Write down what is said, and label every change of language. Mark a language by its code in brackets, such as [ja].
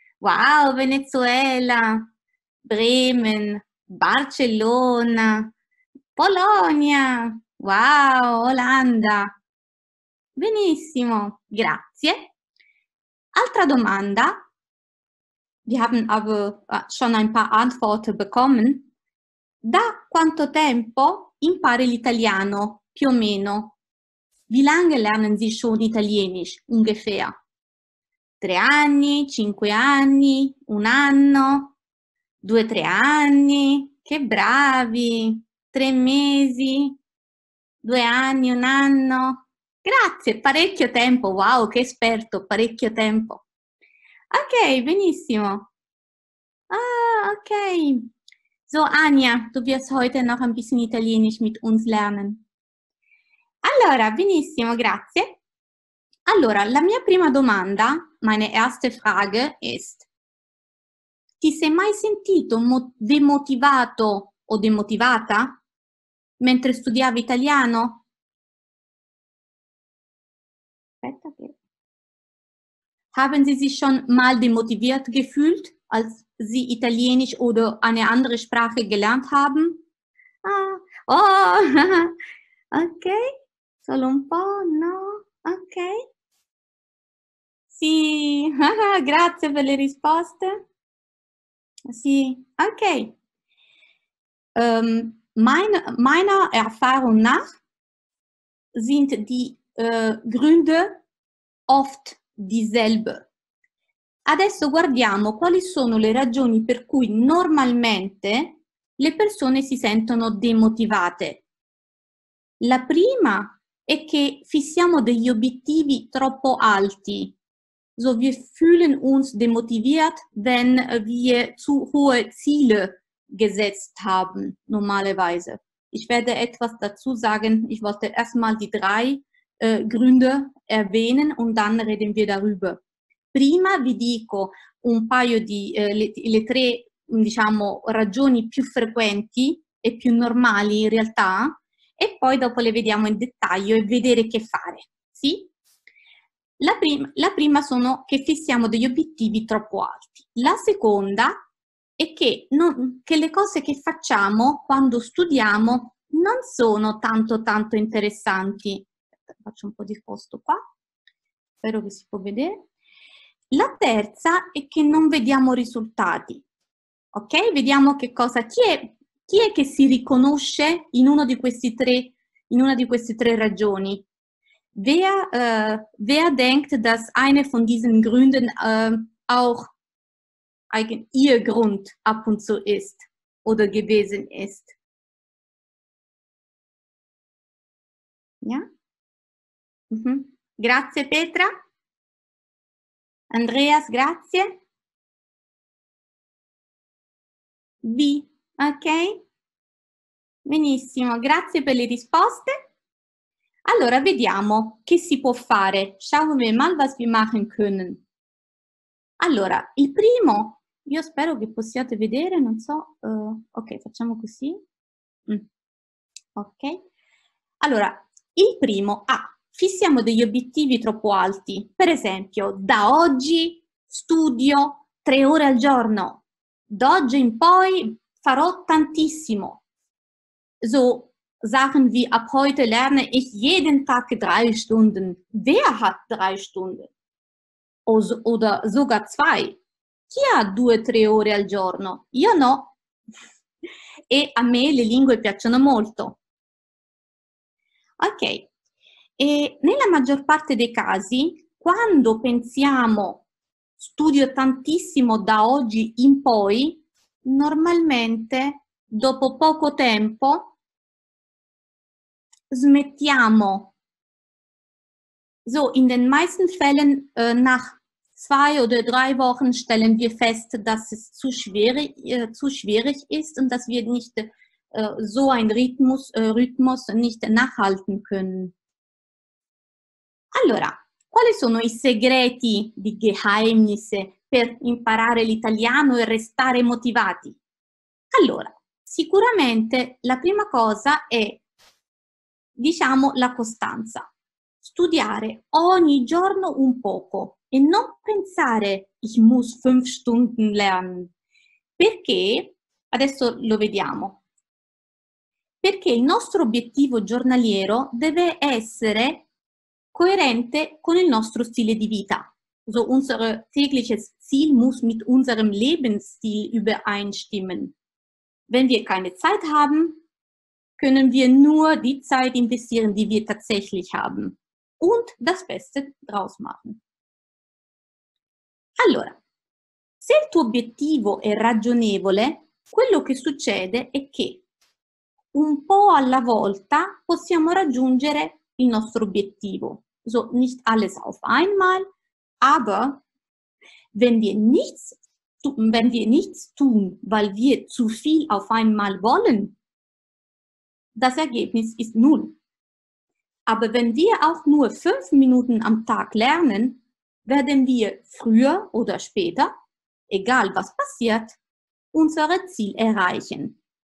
[it] Wow, Venezuela, Bremen, Barcellona, Polonia, wow, Olanda. Benissimo, grazie. Altra domanda. [de] Wir haben aber schon ein paar Antworten bekommen. [it] Da quanto tempo impari l'italiano, più o meno? [de] Wie lange lernen Sie schon Italienisch, ungefähr? [it] 3 anni, 5 anni, 1 anno, 2-3 anni, che bravi, 3 mesi, 2 anni, 1 anno. Grazie, parecchio tempo, wow, che esperto, parecchio tempo. Ok, benissimo. Ah, ok. [de] So, Anja, du wirst heute noch ein bisschen Italienisch mit uns lernen. [it] Allora, benissimo, grazie. Allora, la mia prima domanda, [de] meine erste Frage, [it] ist: Ti sei mai sentito demotivato o demotivata mentre studiavi italiano? Aspetta che... [de] Haben Sie sich schon mal demotiviert gefühlt, als Sie Italienisch oder eine andere Sprache gelernt haben? [it] Ah, oh, ok, solo un po', no, ok. Sì, grazie per le risposte. Sì, ok. [de] Meiner Erfahrung nach sind die Gründe oft dieselbe. [it] Adesso guardiamo quali sono le ragioni per cui normalmente le persone si sentono demotivate. La prima è che fissiamo degli obiettivi troppo alti. [de] So, wir fühlen uns demotiviert, wenn wir zu hohe Ziele gesetzt haben, normalerweise. Ich werde etwas dazu sagen. Ich wollte erstmal die 3 Gründe erwähnen und dann reden wir darüber. [it] Prima vi dico un paio di le 3, diciamo, ragioni più frequenti e più normali in realtà, e poi dopo le vediamo in dettaglio e vedere che fare, sì? La prima sono che fissiamo degli obiettivi troppo alti. La seconda è che le cose che facciamo quando studiamo non sono tanto interessanti. Faccio un po' di posto qua, spero che si può vedere. La terza è che non vediamo risultati. Ok? Vediamo che cosa. Chi è che si riconosce in uno di questi 3, in una di queste 3 ragioni? [de] Wer denkt, dass eine von diesen Gründen auch ihr Grund ab und zu ist oder gewesen ist? [it] Ja? Mhm. Grazie, Petra. Andreas, grazie. B, ok. Benissimo, grazie per le risposte. Allora, vediamo che si può fare. [de] Schauen wir mal, was wir machen können. [it] Allora, il primo, io spero che possiate vedere, non so. Ok, facciamo così. Ok. Allora, il primo, fissiamo degli obiettivi troppo alti. Per esempio, da oggi studio 3 ore al giorno. Da oggi in poi farò tantissimo. [de] So, Sachen wie ab heute lerne ich jeden Tag 3 Stunden. Wer hat 3 Stunden? Oder sogar 2? [it] Chi ha 2-3 ore al giorno? Io no. E a me le lingue piacciono molto. Ok. E nella maggior parte dei casi, quando pensiamo studio tantissimo da oggi in poi, normalmente dopo poco tempo smettiamo. [de] So, in den meisten Fällen nach zwei oder drei Wochen stellen wir fest, dass es zu schwierig ist und dass wir nicht so einen Rhythmus nicht nachhalten können. [it] Allora, quali sono i segreti di Geheimnisse per imparare l'italiano e restare motivati? Allora, sicuramente la prima cosa è, diciamo, la costanza. Studiare ogni giorno un poco e non pensare [de] ich muss 5 Stunden lernen. [it] Perché? Adesso lo vediamo. Perché il nostro obiettivo giornaliero deve essere coerente con il nostro stile di vita. [de] So unser tägliches Ziel muss mit unserem Lebensstil übereinstimmen. Wenn wir keine Zeit haben, können wir nur die Zeit investieren, die wir tatsächlich haben und das Beste draus machen. [it] Allora, se il tuo obiettivo è ragionevole, quello che succede è che un po' alla volta possiamo raggiungere il nostro obiettivo. [de] So, nicht alles auf einmal, aber wenn wir nichts tun, weil wir zu viel auf einmal wollen, das Ergebnis ist null. Aber wenn wir auch nur 5 Minuten am Tag lernen, werden wir früher oder später, egal was passiert, unser Ziel erreichen.